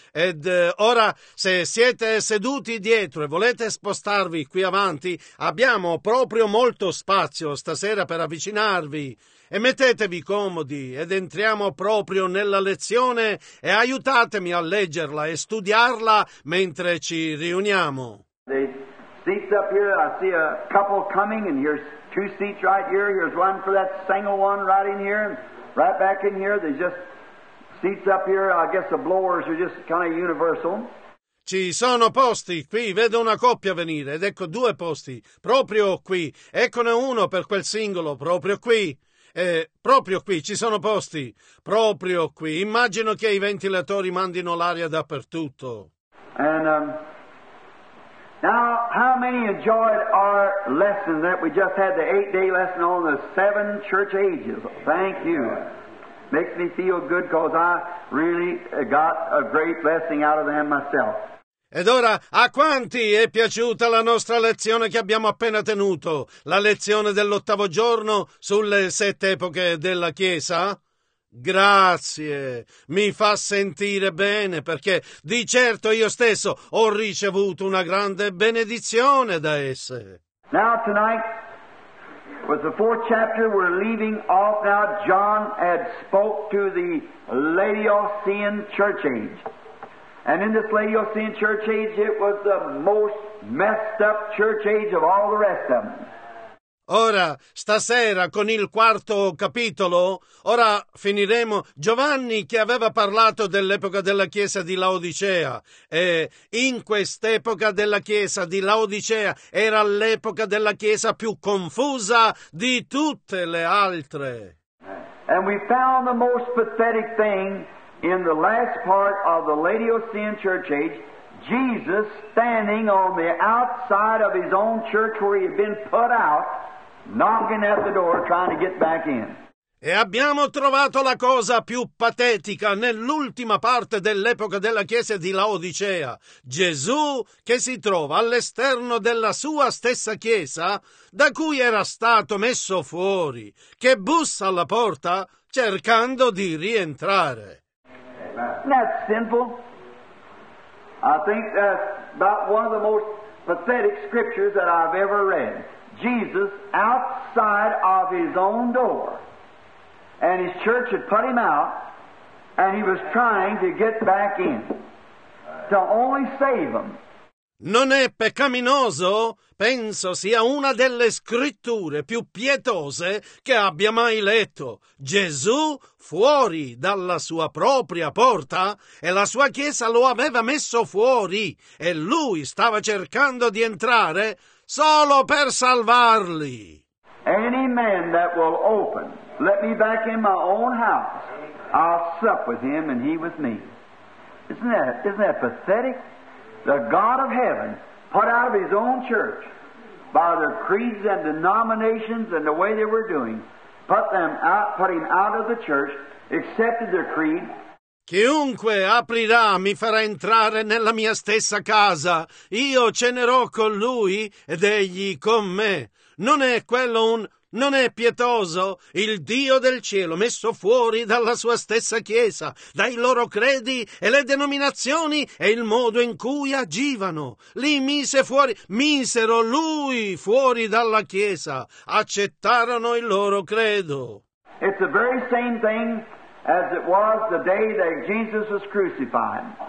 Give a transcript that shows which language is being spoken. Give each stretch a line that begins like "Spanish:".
Italian: Ed ora, se siete seduti dietro e volete spostarvi qui avanti, abbiamo proprio molto spazio stasera per avvicinarvi. E mettetevi comodi ed entriamo proprio nella lezione e aiutatemi a leggerla e studiarla mentre ci riuniamo.
English: The seats up here, I see a couple coming, and here's two seats right here. Here's one for that single one right in here, and right back in here. There's just seats up here. I guess the blowers are just kind of universal.
Italian: Ci sono posti qui, vedo una coppia venire, ed ecco due posti, proprio qui. Eccone uno per quel singolo, proprio qui. Proprio qui, ci sono posti, proprio qui. Immagino che i ventilatori mandino l'aria dappertutto.
English: And, now, how many enjoyed our lesson that we just had, the 8-day lesson on the seven church ages? Thank you. Makes me feel good because I really got a great blessing out of them myself.
Italian: Ed ora, a quanti è piaciuta la nostra lezione che abbiamo appena tenuto? La lezione dell'ottavo giorno sulle sette epoche della Chiesa? Grazie! Mi fa sentire bene perché di certo io stesso ho ricevuto una grande benedizione da esse.
English: Now tonight, with the fourth chapter, we're leaving off now. John had spoke to the Laodicean church age. And in this Laodicean church age, it was the most messed up church age of all the rest of them.
Italian: Ora, stasera, con il quarto capitolo, ora finiremo Giovanni che aveva parlato dell'epoca della Chiesa di Laodicea. E in quest'epoca della Chiesa di Laodicea era l'epoca della Chiesa più confusa di tutte le altre.
English: And we found the most pathetic thing in the last part of the Laodicean church age, Jesus standing on the outside of his own church where he had been put out, knocking at the door, trying to get back in.
Italian: E abbiamo trovato la cosa più patetica nell'ultima parte dell'epoca della Chiesa di Laodicea. Gesù che si trova all'esterno della sua stessa Chiesa, da cui era stato messo fuori, che bussa alla porta cercando di rientrare.
English: That's simple. I think that's about one of the most pathetic scriptures that I've ever read. Jesus outside of his own door, and his church had put him out, and he was trying to get back in to only save him.
Italian: Non è peccaminoso? Penso sia una delle scritture più pietose che abbia mai letto. Gesù fuori dalla sua propria porta e la sua chiesa lo aveva messo fuori e lui stava cercando di entrare solo per salvarli.
English: Any man that will open, let me back in my own house, I'll sup with him and he with me. Isn't that pathetic? The God of heaven put out of his own church by their creeds and denominations and the way they were doing, put him out of the church, accepted their creed.
Italian: Chiunque aprirà mi farà entrare nella mia stessa casa. Io cenerò con lui ed egli con me. Non è quello un... Non è pietoso il Dio del cielo messo fuori dalla sua stessa Chiesa, dai loro credi e le denominazioni e il modo in cui agivano. Li mise fuori, misero lui fuori dalla Chiesa, accettarono il loro credo.
English: It's the very same thing as it was the day that Jesus was crucified.